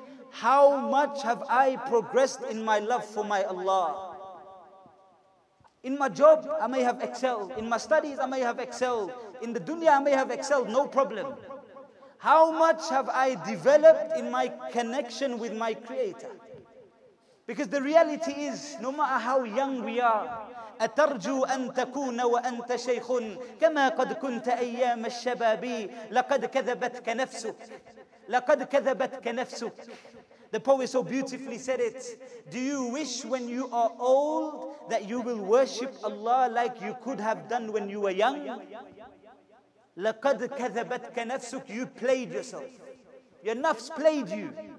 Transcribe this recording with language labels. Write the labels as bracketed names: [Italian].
[English] How much have I progressed in my love for my Allah? In my job, I may have excelled. In my studies, I may have excelled. In the dunya, I may have excelled, no problem. How much have I developed in my connection with my Creator? Because the reality is, no matter how young we are, [Arabic] أترجو أن تكون وأنت شيخ كما قد كنت أيام الشباب لقد كذبتك نفسك لقد كذبتك نفسك. [English] The poet so beautifully said it. Do you wish when you are old that you will worship Allah like you could have done when you were young? [Arabic] لقد كذبتك نفسك. [English] You played yourself. Your nafs played you.